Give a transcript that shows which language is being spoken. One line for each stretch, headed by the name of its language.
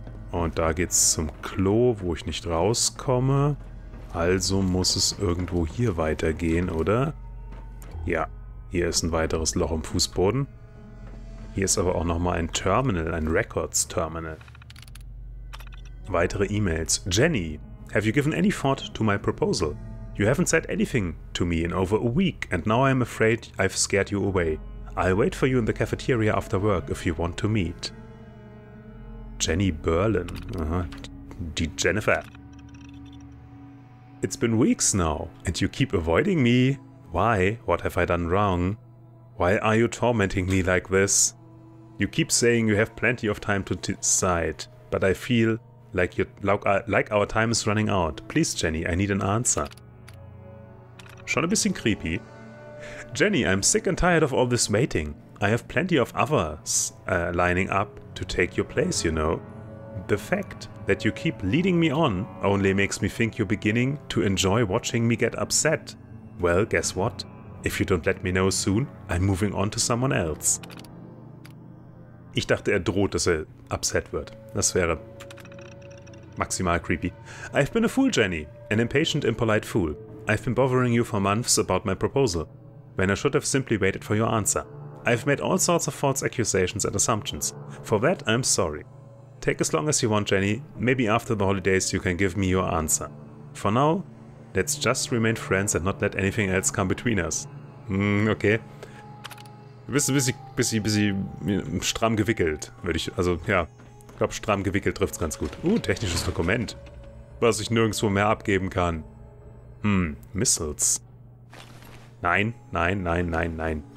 German: Und da geht's zum Klo, wo ich nicht rauskomme. Also muss es irgendwo hier weitergehen, oder? Ja, hier ist ein weiteres Loch im Fußboden. Hier ist aber auch nochmal ein Terminal, ein Records-Terminal. Weitere E-Mails.
English: Jenny, have you given any thought to my proposal? You haven't said anything to me in over a week, and now I'm afraid I've scared you away. I'll wait for you in the cafeteria after work if you want to meet. Jenny Berlin.
German: Aha. Die Jennifer.
English: It's been weeks now, and you keep avoiding me. Why? What have I done wrong? Why are you tormenting me like this? You keep saying you have plenty of time to decide, but I feel like our time is running out. Please, Jenny, I need an answer.
German: Schon ein bisschen creepy.
English: Jenny, I'm sick and tired of all this waiting. I have plenty of others lining up to take your place, you know. The fact that you keep leading me on only makes me think you're beginning to enjoy watching me get upset. Well, guess what? If you don't let me know soon, I'm moving on to someone else.
German: Ich dachte, er droht, dass er upset wird. Das wäre maximal creepy.
English: I've been a fool, Jenny. An impatient, impolite fool. I've been bothering you for months about my proposal, when I should have simply waited for your answer. I've made all sorts of false accusations and assumptions. For that, I'm sorry. Take as long as you want, Jenny. Maybe after the holidays you can give me your answer. For now, let's just remain friends and not let anything else come between us. Okay.
German: Du bist ein bisschen stramm gewickelt, würde ich. Also, ja. Ich glaube, stramm gewickelt trifft es ganz gut. Technisches Dokument, was ich nirgendwo mehr abgeben kann. Missiles. Nein, nein, nein, nein, nein.